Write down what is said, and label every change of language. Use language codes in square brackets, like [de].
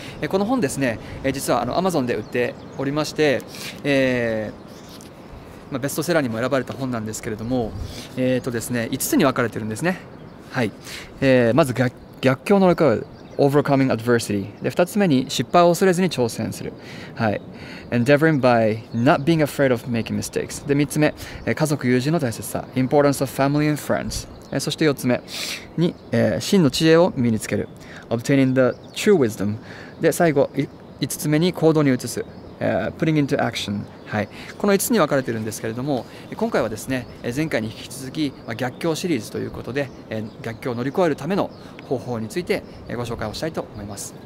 [ja] この本ですね、実はAmazonで売っておりまして、ベストセラーにも選ばれた本なんですけれども、ですね、5つに分かれているんですね。はい、まず逆境の乗り越え、 [en] Overcoming Adversity。 [ja] 2つ目に失敗を恐れずに挑戦する。 [en] はい、Endeavoring by not being afraid of making mistakes。 [ja] で、3つ目、家族友人の大切さ、 [en] Importance of family and friends。 [ja] そして4つ目に、真の知恵を身につける、 [en] Obtaining the true wisdom。 [ja] で、最後、5つ目に行動に移す、 [en] Putting into action。 [ja] はい、この5つに分かれているんですけれども、今回はですね、前回に引き続き逆境シリーズということで、逆境を乗り越えるための方法についてご紹介をしたいと思います。